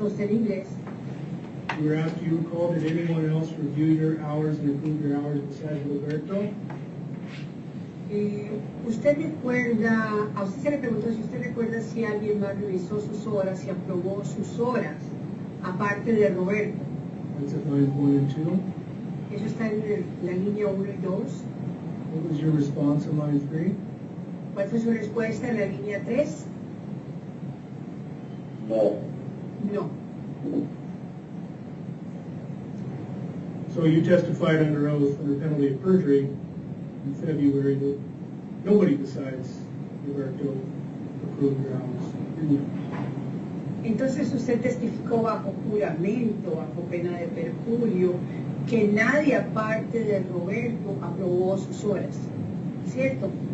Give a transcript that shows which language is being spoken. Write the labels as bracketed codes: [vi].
[en] You were asked, do you recall, did anyone else review your hours and approve your hours besides Roberto? [es] ¿Usted recuerda, a usted se le preguntó si usted recuerda si alguien más revisó sus horas y aprobó sus horas, aparte de Roberto? [en] That's at line 1 and 2. [es] Eso está en la línea 1 y 2. [en] What was your response in line 3? [es] ¿Cuál fue su respuesta en la línea 3? No. [en] No. So you testified under oath under penalty of perjury in February that nobody besides Roberto approved your hours, didn't you? [es] Entonces usted testificó bajo juramento, bajo pena de perjurio, que nadie aparte de Roberto aprobó sus horas, ¿cierto?